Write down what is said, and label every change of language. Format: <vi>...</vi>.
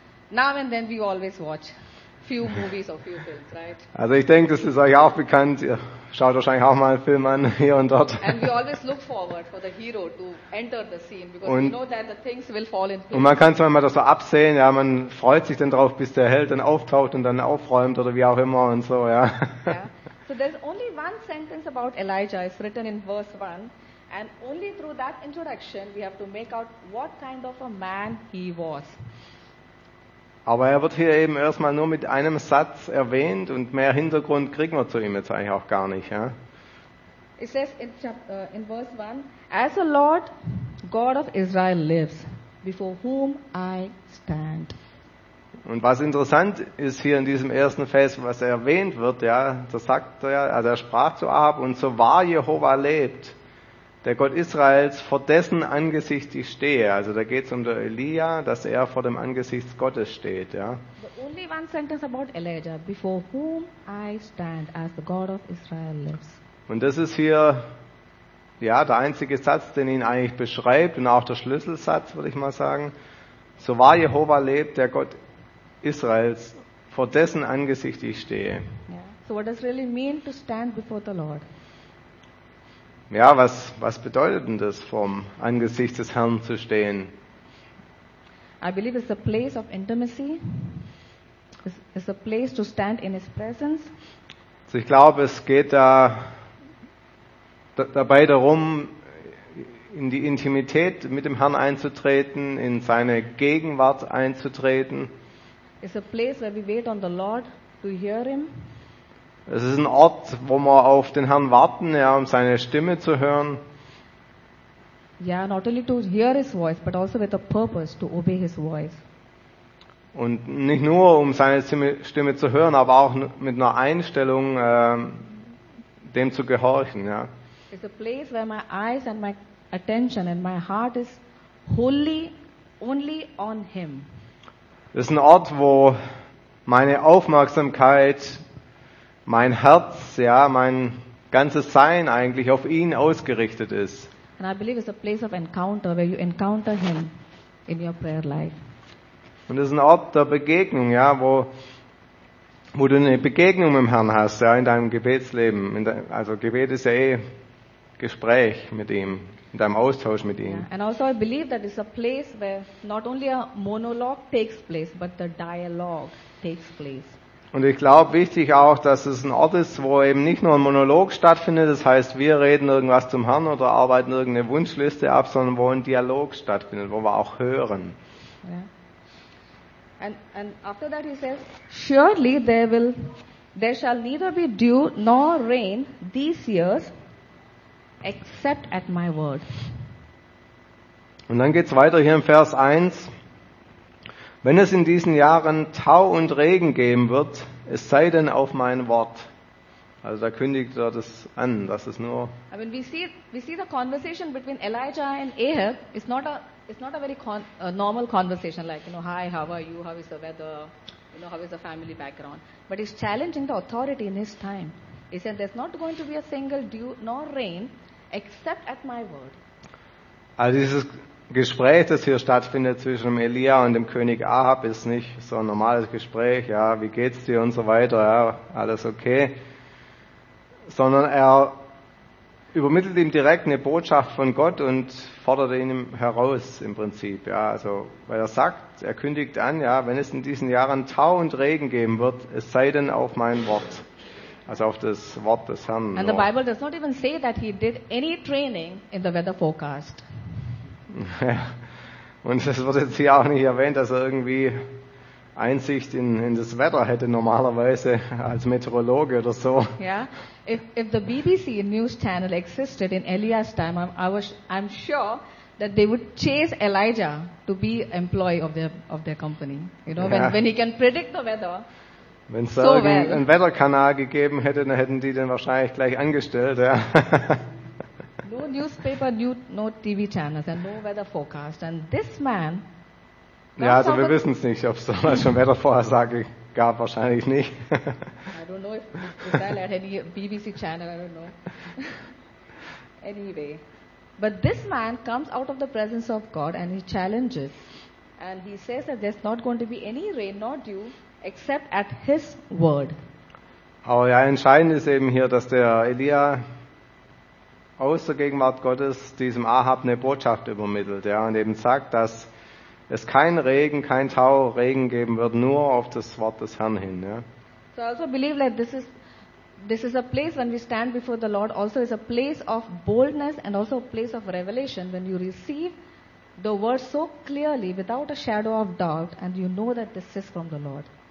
<en>Now and then we always watch few movies or few films, right?</en> <de>Also ich denke, das ist euch auch bekannt. Ihr schaut wahrscheinlich auch mal einen Film an, hier und dort.</de> <en>And we always look forward for the hero to enter the scene because we know that the things will fall in place.</en> <de>Und man kann es manchmal so absehen, ja, man freut sich dann drauf, bis der Held dann auftaucht und dann aufräumt oder wie auch immer und so, ja.</de> <en>Yeah. So there's only one sentence about Elijah, it's written in verse 1. And only through that introduction we have to make out what kind of a man he was.</en> <de>Aber wird hier eben erstmal nur mit einem Satz erwähnt und mehr Hintergrund kriegen wir zu ihm jetzt eigentlich auch gar nicht. Ja?</de> <en>It says in verse 1, as the Lord God of Israel lives, before whom I stand.</en> <de>Und was interessant ist hier in diesem ersten Vers, was erwähnt wird, ja, da sagt er, also er sprach zu Ahab, und so wahr Jehova lebt, der Gott Israels, vor dessen Angesicht ich stehe. Also da geht es um der Elia, dass vor dem Angesicht Gottes steht. Ja.</de> <en>The only one sentence about Elijah, before whom I stand as the God of Israel lives.</en> <de>Und das ist hier ja der einzige Satz, den ihn eigentlich beschreibt und auch der Schlüsselsatz, würde ich mal sagen. So wahr Jehova lebt, der Gott Israels, vor dessen Angesicht ich stehe.</de> <en>Yeah. So what does really mean to stand before the Lord?</en> <de>Ja, was bedeutet denn das, vom Angesicht des Herrn zu stehen?</de> <en>I believe it's a place of intimacy. It's a place to stand in his presence.</en> <de>Also ich glaube, es geht da dabei darum, in die Intimität mit dem Herrn einzutreten, in seine Gegenwart einzutreten.</de> <en>It's a place where we wait on the Lord to hear him.</en> <de>Es ist ein Ort, wo wir auf den Herrn warten, ja, um seine Stimme zu hören.</de> <en>Yeah, not only to hear his voice, but also with a purpose to obey his voice.</en> <de>Und nicht nur um seine Stimme zu hören, aber auch mit einer Einstellung dem zu gehorchen, ja.</de> <en>It's a place where my eyes and my attention and my heart is wholly only on him.</en> <de>Es ist ein Ort, wo meine Aufmerksamkeit, mein Herz, ja, mein ganzes Sein eigentlich auf ihn ausgerichtet ist.</de> <en>And I believe it's a place of encounter where you encounter him in your prayer life.</en> <de>Und es ist ein Ort der Begegnung, ja, wo du eine Begegnung mit dem Herrn hast, ja, in deinem Gebetsleben. Also Gebet ist ja eh Gespräch mit ihm, in deinem Austausch mit ihm.</de> <en>And also I believe that it's a place where not only a monologue takes place, but the dialogue takes place.</en> <de>Und ich glaube, wichtig auch, dass es ein Ort ist, wo eben nicht nur ein Monolog stattfindet, das heißt, wir reden irgendwas zum Herrn oder arbeiten irgendeine Wunschliste ab, sondern wo ein Dialog stattfindet, wo wir auch hören.</de> <en>And after that he says, surely there shall neither be dew nor rain these years, except at my word.</en> <de>Und dann geht's weiter hier im Vers 1. Wenn es in diesen Jahren Tau und Regen geben wird, es sei denn auf mein Wort. Also da kündigt er das an, dass es nur.</de> <en>I mean, we see the conversation between Elijah and Ahab is not a normal conversation, like, you know, hi, how are you, how is the weather, you know, how is the family background. But he's challenging the authority in his time. He said, there's not going to be a single dew nor rain, except at my word.</en> <de>Also dieses Gespräch, das hier stattfindet zwischen dem Elia und dem König Ahab, ist nicht so ein normales Gespräch, ja, wie geht's dir und so weiter, ja, alles okay. Sondern er übermittelt ihm direkt eine Botschaft von Gott und fordert ihn heraus im Prinzip, ja, also, weil er sagt, er kündigt an, ja, wenn es in diesen Jahren Tau und Regen geben wird, es sei denn auf mein Wort. Also auf das Wort des Herrn.</de> <en>And the Bible does not even say that he did any training in the weather forecast.</en> <de>Und es wird jetzt hier auch nicht erwähnt, dass er irgendwie Einsicht in das Wetter hätte normalerweise als Meteorologe oder so.</de> <en>Yeah, if the BBC news channel existed in Elias time, I'm sure that they would chase Elijah to be employee of their company. You know, when he can predict the weather.</en> <de>Wenn es da einen Wetterkanal gegeben hätte, dann hätten die den wahrscheinlich gleich angestellt. Ja.</de> <en>No newspaper, no TV channels and no weather forecast. And this man.</en> <de>Ja, also wir wissen es nicht, ob es so was schon Wettervorhersage gab, wahrscheinlich nicht.</de> <en>I don't know if there any BBC channel, I don't know. Anyway. But this man comes out of the presence of God and he challenges. And he says that there's not going to be any rain, nor dew. Except at his word.</en> <de>Aber ja, entscheidend ist eben hier, dass der Elia aus der Gegenwart Gottes diesem Ahab eine Botschaft übermittelt, ja, und eben sagt, dass es kein Regen, kein Tau, Regen geben wird, nur auf das Wort des Herrn hin, ja.</de> <en>So I also believe that this is a place when we stand before the Lord, also is a place of boldness and also a place of revelation when you receive the word so clearly without a shadow of doubt and you know that this is from the Lord.</en>